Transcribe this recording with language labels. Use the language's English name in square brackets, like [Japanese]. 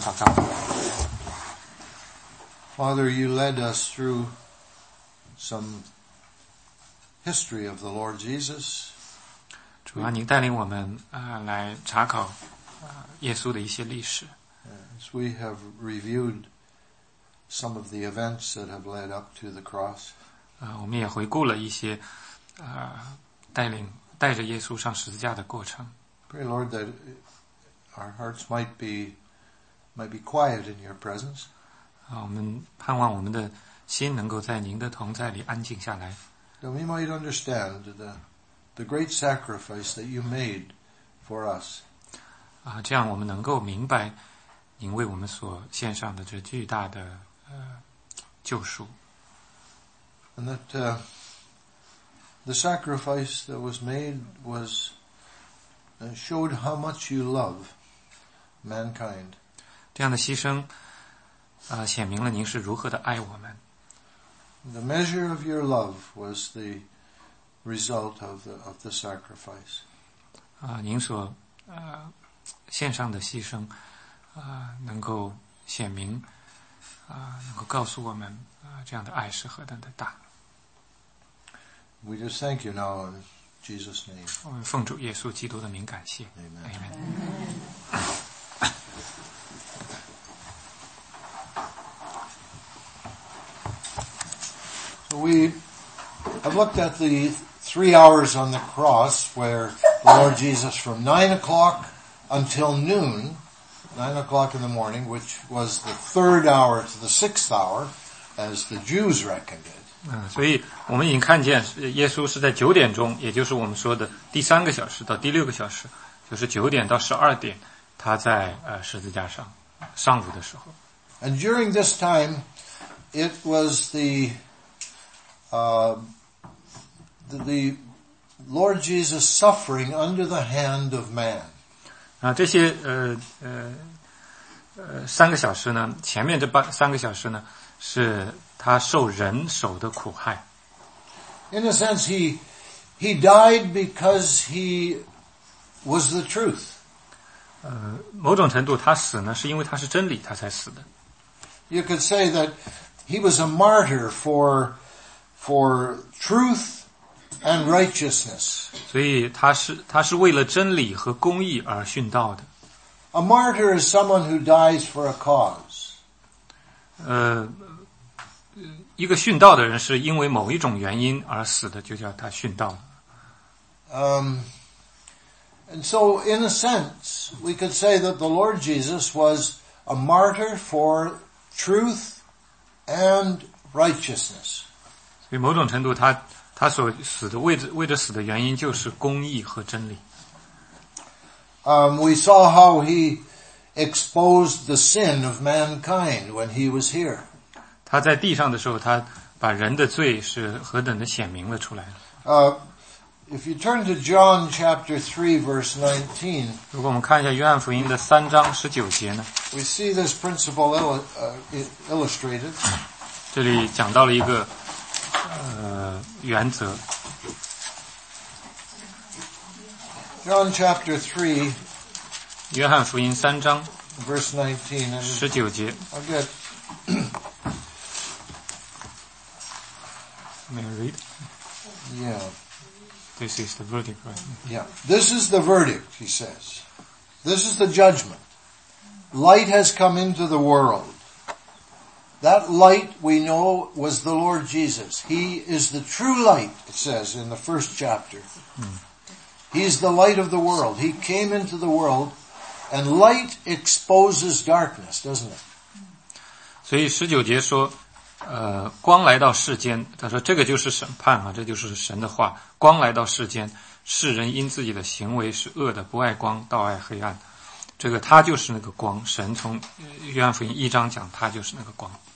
[English] Father, you led us through some history of the Lord Jesus. [Chinese] 主啊，你带领我们来查考耶稣的一些历史。 [English] As we have reviewed some of the events that have led up to the cross. [Chinese] 我们也回顾了一些带着耶稣上十字架的过程。 [English] Pray, Lord, that our hearts might be quiet in your presence. [Chinese] 我们盼望我们的心能够在您的同在里安静下来。 [English] That we might understand the great sacrifice that you made for us. [Chinese] 这样我们能够明白您为我们所献上的这巨大的救赎。 [English] And that, the sacrifice that was made was showed how much you love mankind. [Chinese] 这样的牺牲显明了您是如何的爱我们。 [English] The measure of your love was the result of the sacrifice. [Chinese] 您所献上的牺牲能够显明能够告诉我们这样的爱是何等的大。 [English] We just thank you now in Jesus' name. [Chinese] 我们奉主耶稣基督的名感谢。 [English] Amen. Amen. So we have looked at the 3 hours on the cross where the Lord Jesus from 9 o'clock until noon, 9 o'clock in the morning, which was the third hour to the sixth hour, as the Jews reckoned it. [Chinese] 所以我们已经看见耶稣是在九点钟，也就是我们说的第三个小时到第六个小时，就是九点到十二点，他在十字架上，上午的时候。 [English] And during this time, it was the Lord Jesus suffering under the hand of man. [Chinese] 这些三个小时呢，前面这三个小时呢是。他受人手的苦害。 [English] In a sense, he died because he was the truth. [Chinese] 某种程度他死呢是因为他是真理他才死的。 [English] You could say that he was a martyr for truth and righteousness. [Chinese] 所以他是为了真理和公义而殉道的。 [English] A martyr is someone who dies for a cause. [Chinese] 一个殉道的人是因为某一种原因而死的，就叫他殉道。 [English] And so, in a sense, we could say that the Lord Jesus was a martyr for truth and righteousness. [Chinese] 所以某种程度他所死的为着死的原因就是公义和真理。 [English] We saw how he exposed the sin of mankind when he was here. [Chinese] 他在地上的时候，他把人的罪是何等的显明了出来。 [English] If you turn to John chapter 3 verse 19, [Chinese] 如果我们看一下约翰福音的三章十九节呢 [English] ，We see this principle illustrated. [Chinese] 这里讲到了一个原则。 [English] John chapter 3, [Chinese] 约翰福音三章 [English] verse 19, [Chinese] 十九节。 [English] Okay. May I read? Yeah. This is the verdict, right? Yeah. This is the verdict, he says. This is the judgment. Light has come into the world. That light we know was the Lord Jesus. He is the true light, it says in the first chapter. He is the light of the world. He came into the world, and light exposes darkness, doesn't it? [Chinese] 所以十九节说光来到世间，他说这个就是审判啊，这就是神的话。光来到世间，世人因自己的行为是恶的，不爱光，倒爱黑暗。这个他就是那个光，神从约翰福音一章讲，他就是那个光。